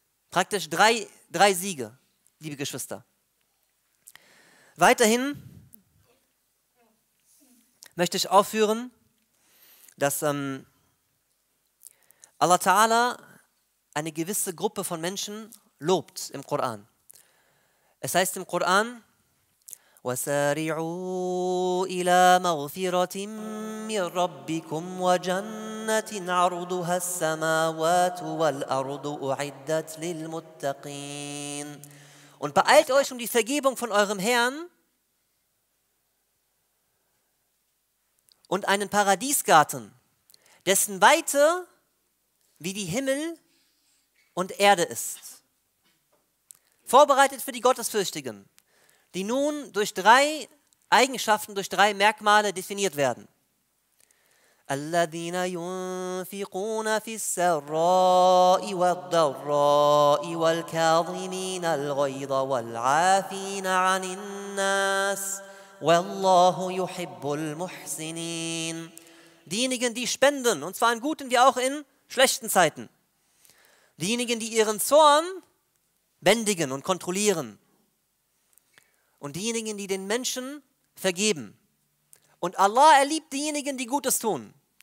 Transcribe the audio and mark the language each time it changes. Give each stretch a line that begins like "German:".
German: Praktisch 3 Siege, liebe Geschwister. Weiterhin möchte ich aufführen, dass Allah Ta'ala eine gewisse Gruppe von Menschen lobt im Koran. Es heißt im Koran,
Arabic: وَسَارِعُوا إِلَى مَغْفِرَةٍ مِّن رَبِّكُمْ وَجَنَّةٍ عَرْضُهَا السَّمَاوَاتُ وَالْأَرْضُ أُعِدَّتْ لِلْمُتَّقِينَ.
German: Und beeilt euch um die Vergebung von eurem Herrn und einen Paradiesgarten, dessen Weite wie die Himmel und Erde ist. Vorbereitet für die Gottesfürchtigen, die nun durch drei Eigenschaften, durch drei Merkmale definiert werden.
Arabic: الذين ينفقون في السراء والضراء والكاظمين الغيظ والعافين عن الناس والله يحب المحسنين.
German: Diejenigen, die spenden, und zwar in guten wie auch in schlechten Zeiten. Diejenigen, die ihren Zorn bändigen und kontrollieren. Und diejenigen, die den Menschen vergeben. Und Allah erliebt diejenigen, die Gutes tun.